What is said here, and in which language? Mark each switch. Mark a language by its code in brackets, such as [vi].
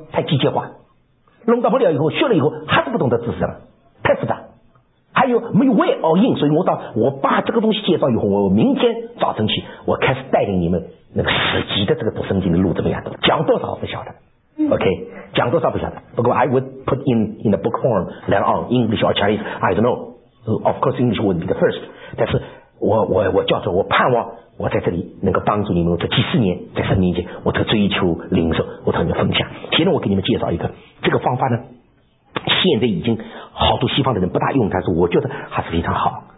[zh] 太机械化，弄到不了以后，学了以后还是不懂得知识了，太复杂，还有没有 [en] way or in。 [zh] 所以我把这个东西介绍以后，我明天早晨起我开始带领你们那个实际的这个读圣经的路怎么样，讲多少不晓得OK， 讲多少不晓得。 [en] 不过 I would put in the book form then on English or Chinese, I don't know. Of course, English would be the first. [zh] 但是我叫做我盼望我在这里能够帮助你们，这几十年在生命间我在追求灵兽，我和你们分享。现在我给你们介绍一个这个方法呢，现在已经好多西方的人不大用，但是我觉得还是非常好。